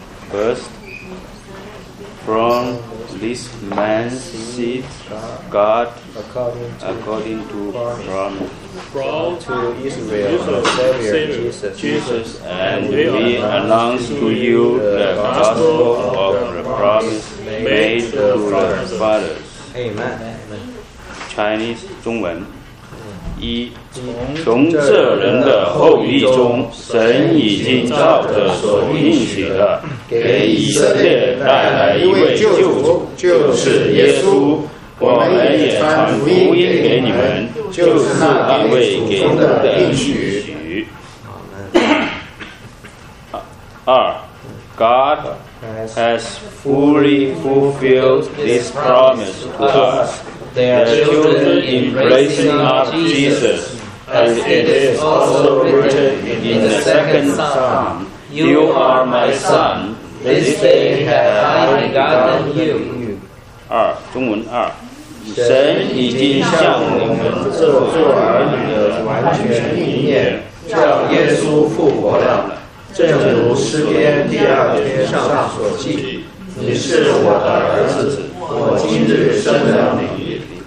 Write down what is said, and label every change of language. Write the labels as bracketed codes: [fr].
[en] First, from this man's seed, God, according to promise, brought to Israel the Savior Jesus, and we announce to you the gospel of the promise made to the fathers. Amen. [zh] Chinese, 中文。一，从这人的后裔中，神已经照着所应许的，给以色列带来一位救主，就是耶稣。我们也传福音给你们，就是那位给我们的应许。 [en] 二 ，God has fully fulfilled this promise to us. Their children embracing up Jesus, as it is also written in the second Psalm, You are my son, this day have I begotten you. [zh] 二，中文二，神已经向我们这做儿女的完全应验，叫耶稣复活了。正如诗篇第二篇上所记，你是我的儿子，我今日生了你。